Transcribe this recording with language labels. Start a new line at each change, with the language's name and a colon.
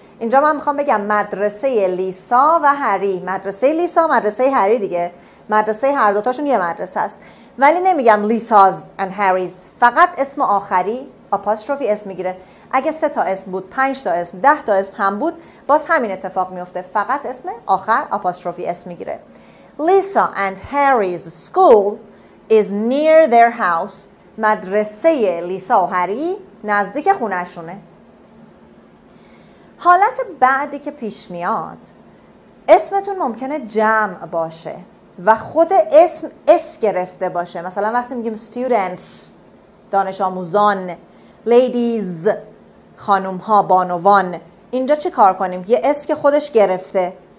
Persian: اینجا من میخوام بگم مدرسه لیسا و هری، مدرسه لیسا، مدرسه هری دیگه، مدرسه هر دوتاشون یه مدرسه است. ولی نمیگم لیساز and هریز، فقط اسم آخری آپاستروفی اسم میگیره. اگه سه تا اسم بود، پنج تا اسم، ده تا اسم هم بود، باز همین اتفاق میفته، فقط اسم آخر آپاستروفی اسم میگیره.
English: Lisa and Harry's school is near their house.
Persian: مدرسه لیسا و هری نزدیک خونهشونه. حالت بعدی که پیش میاد، اسمتون ممکنه جمع باشه و خود اسم اس گرفته باشه. مثلا وقتی میگیم students، دانش آموزان، ladies، خانوم ها، بانوان، اینجا چی کار کنیم؟ یه اس که خودش گرفته.